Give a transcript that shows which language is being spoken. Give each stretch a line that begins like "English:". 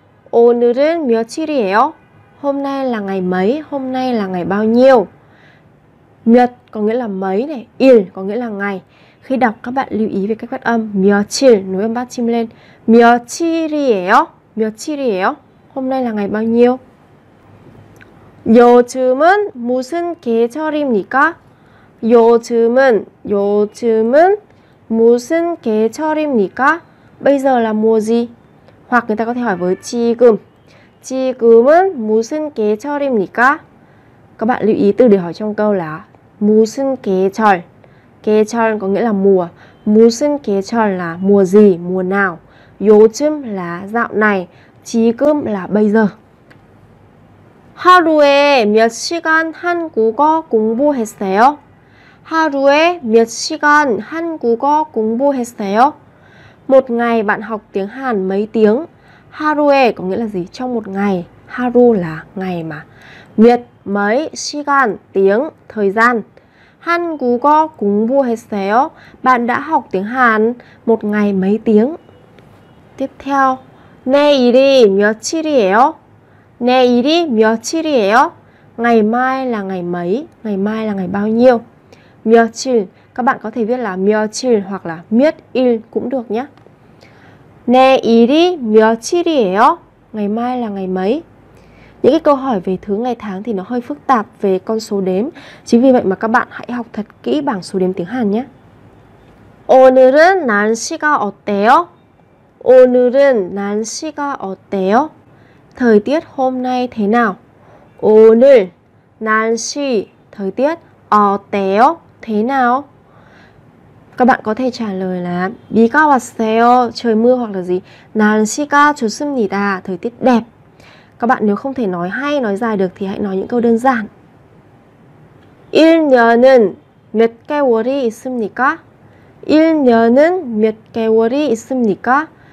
Korean: 오늘은 며칠이에요?
Vietnamese: Hôm nay là ngày mấy? Hôm nay là ngày bao nhiêu? 몇 có nghĩa là mấy này, 일 có nghĩa là ngày. Khi đọc các bạn lưu ý về cách phát âm 며칠, nối âm bát chim lên.
Korean: 며칠이에요? 며칠이에요?
Vietnamese: Hôm nay là ngày bao nhiêu?
Korean: 요즘은 무슨 계절입니까? 요즘은, 요즘은 무슨 계절입니까?
Vietnamese: Bây giờ là mùa gì? Hoặc người ta có thể hỏi với 지금.
Korean: 지금은 무슨 계절입니까?
Vietnamese: Các bạn lưu ý từ để hỏi trong câu là 무슨 계절. 계절 có nghĩa là mùa. 무슨 계절 là mùa gì, mùa nào. 요즘 là dạo này. 지금 là bây giờ.
Korean: 하루에 몇 시간 한국어 공부했어요? 하루에 몇 시간 한국어 공부했어요?
Vietnamese: Một ngày bạn học tiếng Hàn mấy tiếng? 하루에 có nghĩa là gì? Trong một ngày. 하루 là ngày mà. 몇 mấy 시간 tiếng thời gian.
Korean: 한국어 공부했어요?
Vietnamese: Bạn đã học tiếng Hàn một ngày mấy tiếng? Tiếp theo.
Korean: 내일이 며칠이에요? 내일이 며칠이에요?
Vietnamese: Ngày mai là ngày mấy? Ngày mai là ngày bao nhiêu?
Korean: 며칠.
Vietnamese: Các bạn có thể viết là 며칠 hoặc là 며칠 cũng được nhé.
Korean: 내일이 며칠이에요?
Vietnamese: Ngày mai là ngày mấy? Những cái câu hỏi về thứ ngày tháng thì nó hơi phức tạp về con số đếm. Chính vì vậy mà các bạn hãy học thật kỹ bảng số đếm tiếng Hàn nhé.
Korean: 오늘은 날씨가 어때요? 오늘은 날씨가 어때요?
Vietnamese: Thời tiết hôm nay thế nào?
Korean: 오늘 날씨 thời tiết 어때요?
Vietnamese: Thế nào? Các bạn có thể trả lời là
Korean: 비가 왔어요
Vietnamese: trời mưa hoặc là gì?
Korean: 날씨가 좋습니다
Vietnamese: thời tiết đẹp. Các bạn nếu không thể nói hay nói dài được thì hãy nói những câu đơn giản.
Korean: 1년은 몇 개월이 있습니까? 1년은 몇 개월이 있습니까?